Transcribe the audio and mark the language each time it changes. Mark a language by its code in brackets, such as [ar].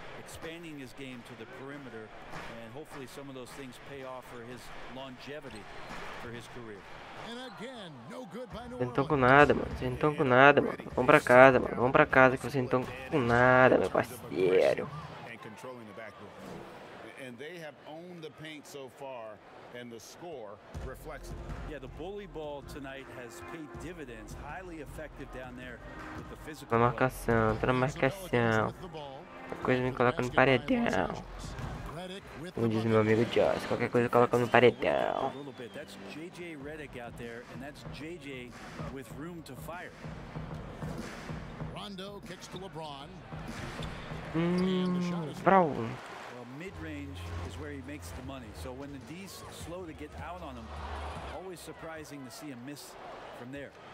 [en] Expanding his game to the perimeter, and hopefully some of those things pay off for his longevity for his career. And again, no good by New Orleans. [pt] Não tô com nada, mano. Vamos pra casa, mano. Vamos pra casa que vocês não estão com nada, meu parceiro. [en] And controlling the backboard. And they have owned the paint so far, and the score reflects it. Yeah, the bully ball tonight has paid dividends, highly effective down there with the physical. [pt] Na marcação, tá na marcação. Qualquer coisa me coloca no paredão. Como diz meu amigo Josh, qualquer coisa coloca no paredão. [en] That's JJ Redick out there, and that's JJ with room to fire. Rondo kicks to LeBron. Bravo. Well, mid-range is where he makes the money. So when the D's slow to get out on him, always surprising to see him miss from there.